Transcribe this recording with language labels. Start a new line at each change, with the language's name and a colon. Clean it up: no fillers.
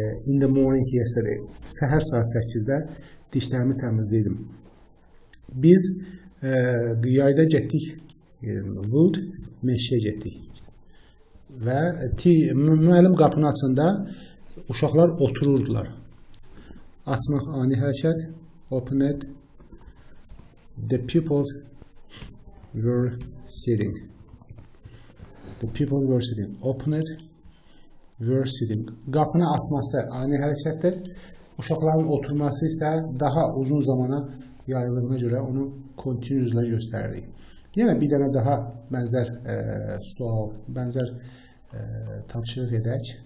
English: In the morning yesterday,
Azerbaijani: səhər saat 8-də dişlərimi təmizləyirdim. Biz yayda getdik, wood, meşəyə getdik. Və müəllim qapını açanda uşaqlar otururdular. Açmaq ani hərəkət,
English: open it, the pupils were sitting. The people were sitting, open it. Were sitting.
Azerbaijani: Qapını açması ani hərəkətdir. Uşaqların oturması isə daha uzun zamana yayıldığına görə onu continuously göstəririk. Yenə bir dənə daha bənzər sual, bənzər tapşırıq edək.